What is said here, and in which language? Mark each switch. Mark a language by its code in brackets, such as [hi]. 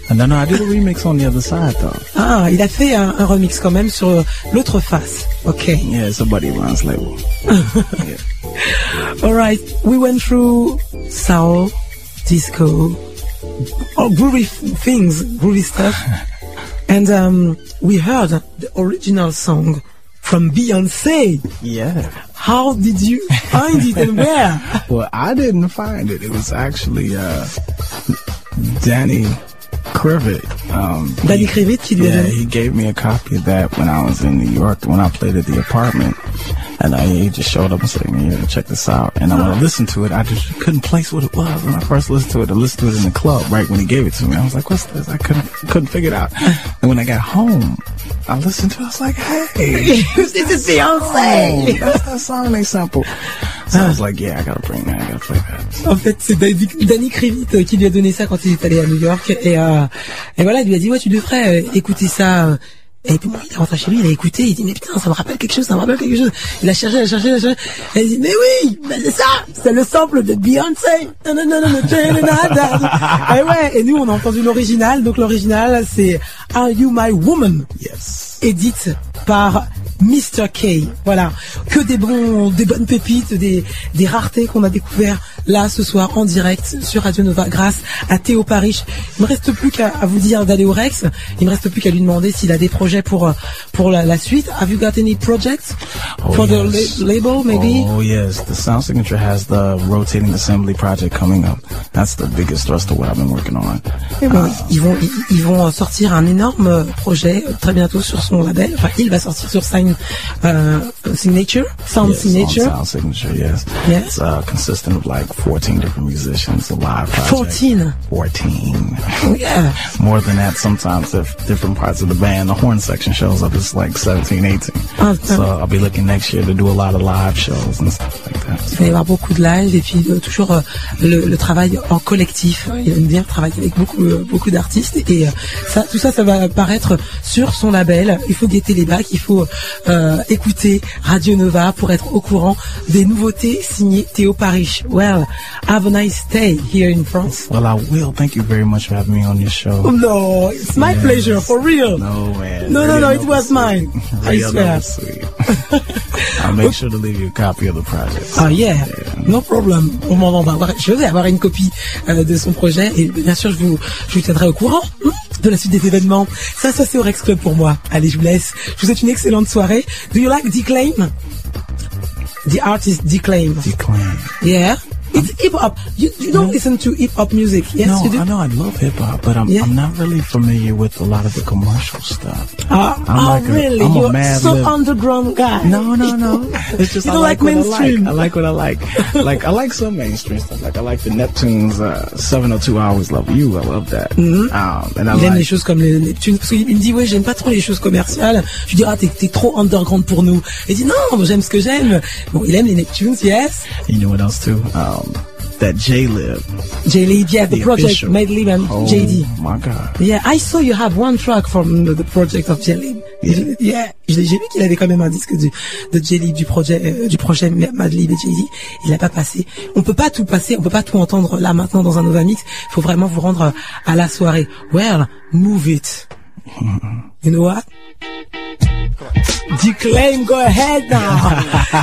[en] No, I did a remix on the other side, though. [fr] Ah, il a fait un remix quand même sur l'autre face. [en] Okay. Yeah, it's a buddy of mine's label. Yeah. All right. We went through soul, disco... Oh, groovy stuff. And we heard the original song from Beyoncé. Yeah. How did you find it and where? Well, I didn't find it. It was actually Danny Krivit. Danny Krivit, he gave me a copy of that when I was in New York, when I played at the apartment. And he just showed up and said, "Man, you gotta check this out." And when I listened to it, I just couldn't place what it was. When I first listened to it, I listened to it in the club, right when he gave it to me. I was like, "What's this?" I couldn't figure it out. And when I got home, I listened to it. I was like, "Hey, this is Beyonce. That's that song they sampled." So I was like, "Yeah, I gotta bring that. I gotta play that." [fr] En fait, c'est Danny Krivit qui lui a donné ça quand il est allé à New York. Et voilà, il lui a dit, "Ouais, tu devrais écouter ça." Et puis, il est rentré chez lui, il a écouté, il dit, mais putain, ça me rappelle quelque chose, ça me rappelle quelque chose. Il a cherché, il a cherché. Il dit, mais oui, mais c'est ça, c'est le sample de Beyoncé. Et ouais, et nous, on a entendu l'original. Donc, l'original, c'est Are You My Woman? Yes. Édite par Mr. K. Voilà. Que des bonnes pépites, des raretés qu'on a découvert là, ce soir, en direct, sur Radio Nova, grâce à Theo Parrish. Il me reste plus qu'à vous dire d'aller au Rex. Il me reste plus qu'à lui demander s'il a des projets pour la suite. [en] Have you got any projects? For the label, maybe? Oh, yes. The Sound Signature has the Rotating Assembly project coming up. That's the biggest thrust of what I've been working on. [fr] Ils vont sortir un énorme projet très bientôt sur son label. Enfin, il va sortir sur Sound Signature. [en] Sound Signature, yes. Yes. It's consistent of like 14 different musicians, live project. 14. 14. Yeah. More than that, sometimes if different parts of the band, the horn section shows up, it's like 17, 18. So I'll be looking next year to do a lot of live shows and stuff like that. [fr] Il va y avoir beaucoup de live et puis toujours le travail en collectif. Il aime bien travailler avec beaucoup d'artistes et ça va paraître sur son label. Il faut guetter les bacs, il faut écouter Radio Nova pour être au courant des nouveautés signées Theo Parrish. [en] Well, have a nice day here in France. Well, I will. Thank you very much for having me on your show. No, it's my pleasure, for real. No, man. No, it was mine. I swear. I'll make sure to leave you a copy of the project. Yeah, no problem. [fr] Je vais avoir une copie de son projet et bien sûr, je vous tiendrai au courant de la suite des événements. Ça c'est au Rex Club pour moi. Allez, je vous laisse. Je vous souhaite une excellente soirée. [en] Do you like Declaim? The artist Declaim. Declaim. Yeah. It's hip-hop. You don't listen to hip-hop music. Yes, no, you do? No, I know. I love hip-hop, but I'm not really familiar with a lot of the commercial stuff. Really? You're so underground guy. No. It's just you don't like mainstream. I like what I like. Like, I like some mainstream stuff. Like, I like the Neptunes 702 Hours Love You. I love that. Mm-hmm. And I like... [fr] les choses comme les Neptunes. Parce qu'il me dit, ouais, j'aime pas trop les choses commerciales. Je lui dis, t'es trop underground pour nous. Il dit, non, j'aime ce que j'aime. Bon, il aime les Neptunes, yes. [en] You know what else, too? That J-Lib. J-Lib, yeah, the project Medley and JD. Oh, my God. Yeah, I saw you have one track from the project of J-Lib. Yeah, [fr] j'ai vu qu'il avait quand même un disque de Jelly du projet Madlib et Jay-Z. Il l'a pas passé. On peut pas tout passer, on peut pas tout entendre là maintenant dans un Nova Mix. Il faut vraiment vous rendre à la soirée. [en] Well, move it. You know what? Declaim, go ahead now.